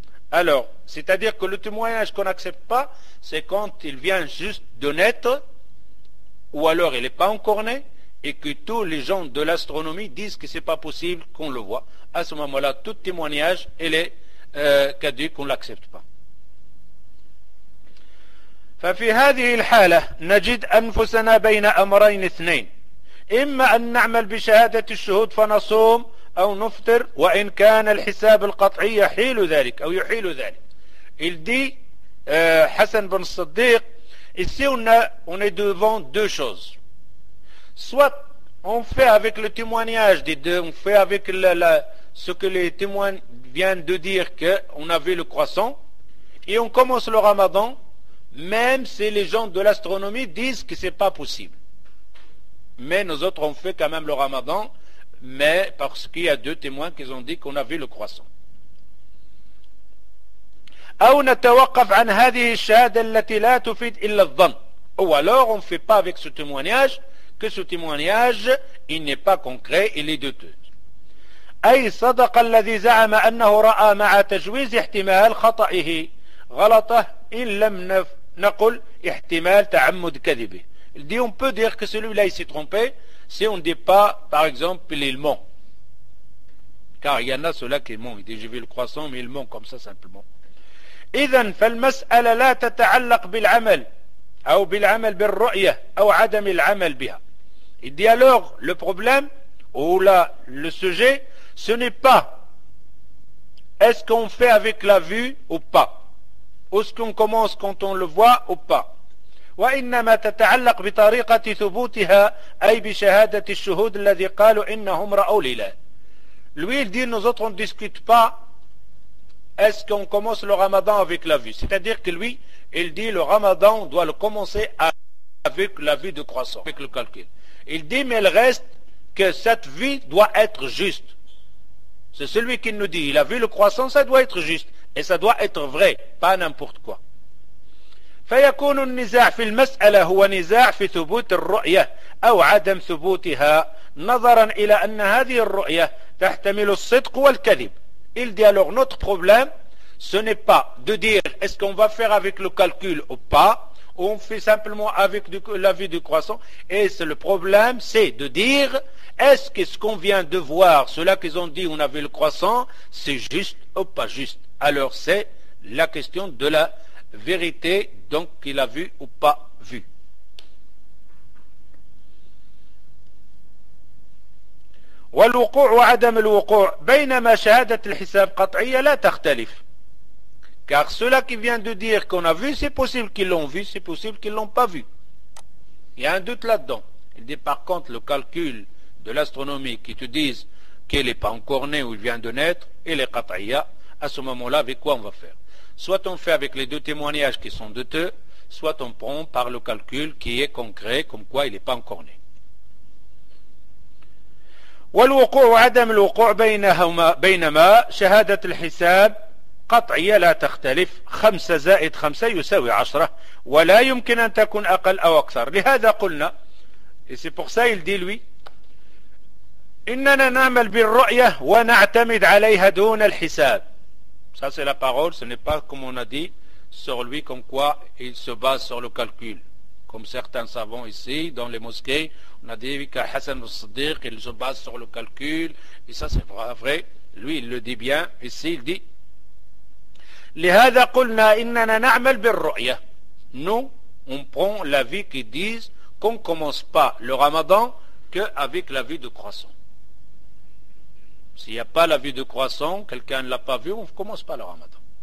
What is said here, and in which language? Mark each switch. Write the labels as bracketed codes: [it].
[fr] Alors, c'est-à-dire que le témoignage qu'on n'accepte pas, c'est quand il vient juste de naître, ou alors il n'est pas encore né, et que tous les gens de l'astronomie disent que ce n'est pas possible qu'on le voit. À ce moment-là, tout témoignage, il est caduque, on ne l'accepte pas. [ar] ففي هذه الحالة نجد أنفسنا بين أمرين اثنين، إما أن نعمل بشهادة الشهود فنصوم أو نفطر وإن كان الحساب القطعي يحيل ذلك أو يحيل ذلك. [fr] الدي حسن بن الصديق ici on est devant deux choses. Soit on fait avec le témoignage des deux, on fait avec ce que les témoins viennent de dire qu'on a vu le croissant et on commence le ramadan même si les gens de l'astronomie disent que ce n'est pas possible. Mais nous autres, on fait quand même le ramadan, mais parce qu'il y a deux témoins qui ont dit qu'on a vu le croissant. [ar] أو نتوقف عن هذه الشهادة التي لا تفيد إلا الظن. [fr] Ou alors, on ne fait pas avec ce témoignage, que ce témoignage, il n'est pas concret, il est douteux. [ar] أي صدق الذي زعم أنه رأى مع تجويز احتمال خطئه غلطه إن لم نقل احتمال تعمد كذبه. [fr] Il dit, on peut dire que celui-là il s'est trompé si on ne dit pas, par exemple, il ment. Car il y en a ceux-là qui mentent. Il dit, j'ai vu le croissant, mais il ment comme ça simplement. [ar] إذن فالمسألة لا تتعلق بالعمل أو بالعمل بالرؤية أو عدم العمل بها. [fr] Il dit, alors, le problème ou le sujet, ce n'est pas est-ce qu'on fait avec la vue ou pas. Est-ce qu'on commence quand on le voit ou pas? [ar] وإنما تتعلق بطريقة ثبوتها أي بشهادة الشهود الذي قالوا إنهم رأوا الإله. [fr] Lui il dit nous autres on ne discute pas est-ce qu'on commence le ramadan avec la vue. C'est-à-dire que lui il dit le ramadan doit le commencer avec la vue de croissant, avec le calcul. Il dit mais il reste que cette vue doit être juste. C'est celui qui nous dit il a vu le croissant, ça doit être juste. Et ça doit être vrai, pas n'importe quoi. [ar] فيكون النزاع في المسألة هو نزاع في ثبوت الرؤية أو عدم ثبوتها نظرا إلى أن هذه الرؤية تحتمل الصدق والكذب. [fr] Il dit alors notre problème, ce n'est pas de dire est-ce qu'on va faire avec le calcul ou pas, ou on fait simplement avec la vue du croissant. Et c'est le problème, c'est de dire est-ce que ce qu'on vient de voir, ceux-là qu'ils ont dit on a vu le croissant, c'est juste ou pas juste. Alors c'est la question de la vérité, donc qu'il a vu ou pas vu. [ar] والوقوع وعدم الوقوع بينما شهادة الحساب قطعية لا تختلف. [fr] Car ceux-là qui viennent de dire qu'on a vu, c'est possible qu'ils l'ont vu, c'est possible qu'ils l'ont pas vu. Il y a un doute là-dedans. Il dit par contre le calcul de l'astronomie qui te disent qu'il n'est pas encore né ou il vient de naître, il est قطعية. À ce moment-là, avec quoi on va faire? Soit on fait avec les deux témoignages qui sont douteux, soit on prend par le calcul qui est concret, comme quoi il n'est pas encore né. [ar] والوقوع وعدم الوقوع بينهما بينما شهادة الحساب قطعية لا تختلف 5 زائد 5 يساوي 10 ولا يمكن أن تكون أقل أو أكثر. لهذا قلنا [fr] et c'est pour ça il dit lui [ar] إننا نعمل بالرؤية ونعتمد عليها دون الحساب. [fr] Ça c'est la parole, ce n'est pas comme on a dit sur lui comme quoi il se base sur le calcul. Comme certains savants ici dans les mosquées, on a dit que Hassan al-Siddiq il se base sur le calcul et ça c'est vrai. Lui il le dit bien ici, il dit [ar] لهذا قلنا إننا نعمل بالرؤية. [fr] Nous on prend la vie qui disent qu'on commence pas le Ramadan que avec la vie de croissant. S'il n'y a pas la vue de croissant, quelqu'un ne l'a pas vu, on ne commence pas le ramadan.